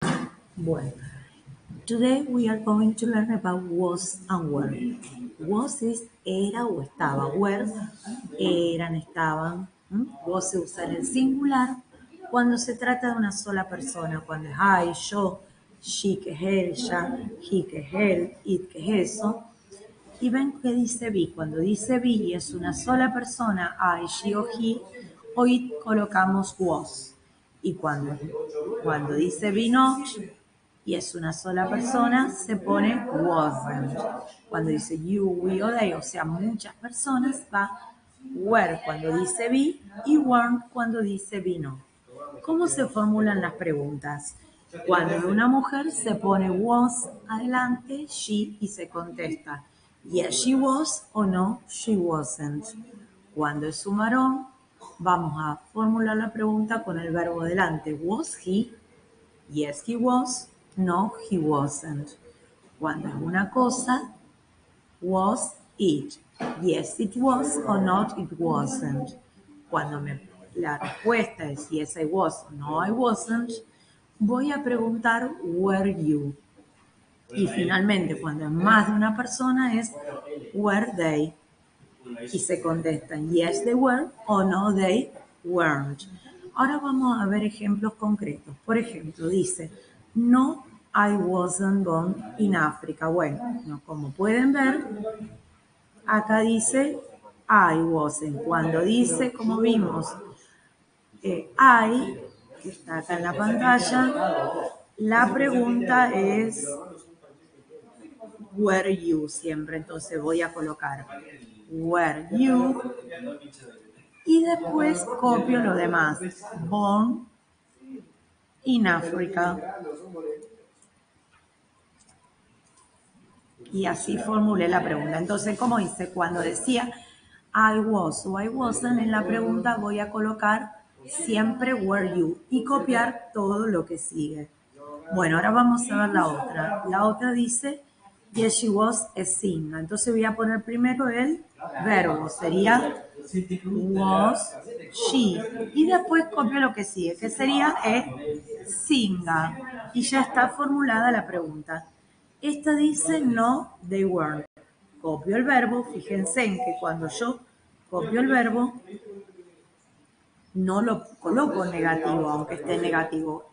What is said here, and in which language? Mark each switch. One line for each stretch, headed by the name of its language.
English: Well, today we are going to learn about was and were.
Spanish: Was is era o estaba. Were, eran, estaban. Was se usa en el singular cuando se trata de una sola persona, cuando es I, yo, she, que es ella, he, que es él, it, que es eso. Y ven que dice be. Cuando dice be y es una sola persona, I, she o he, o it, colocamos was. Y cuando dice be not, y es una sola persona, se pone wasn't. Cuando dice you, we o they, o sea, muchas personas, va were cuando dice be y weren't cuando dice be not. ¿Cómo se formulan las preguntas? Cuando una mujer se pone was adelante, she, y se contesta,
English: yes, she was
Spanish: o
English: no, she wasn't.
Spanish: Cuando es un varón, vamos a formular la pregunta con el verbo adelante.
English: Was he? Yes, he was. No, he wasn't.
Spanish: Cuando es una cosa, was it?
English: Yes, it was or not, it wasn't.
Spanish: Cuando la respuesta es
English: yes, I was, no, I wasn't,
Spanish: voy a preguntar
English: were you.
Spanish: Y finalmente, cuando es más de una persona, es
English: were they.
Spanish: Y se contestan
English: yes, they were
Spanish: o
English: no, they weren't.
Spanish: Ahora vamos a ver ejemplos concretos. Por ejemplo, dice
English: no, I wasn't born in Africa.
Spanish: Bueno, no, como pueden ver, acá dice I wasn't. Cuando dice, como vimos, I, que está acá en la pantalla, la pregunta es
English: were you
Spanish: siempre. Entonces voy a colocar
English: were you
Spanish: y después copio lo demás.
English: Born in Africa.
Spanish: Y así formulé la pregunta. Entonces, como hice cuando decía
English: I was
Spanish: o
English: I wasn't,
Spanish: en la pregunta voy a colocar siempre
English: were you
Spanish: y copiar todo lo que sigue. Bueno, ahora vamos a ver la otra. La otra dice
English: yes, she was a singer.
Spanish: Entonces voy a poner primero el verbo. Sería
English: was she.
Spanish: Y después copio lo que sigue, que sería
English: a singer.
Spanish: Y ya está formulada la pregunta. Esta dice
English: no, they weren't.
Spanish: Copio el verbo. Fíjense en que cuando yo copio el verbo, no lo coloco negativo, aunque esté negativo.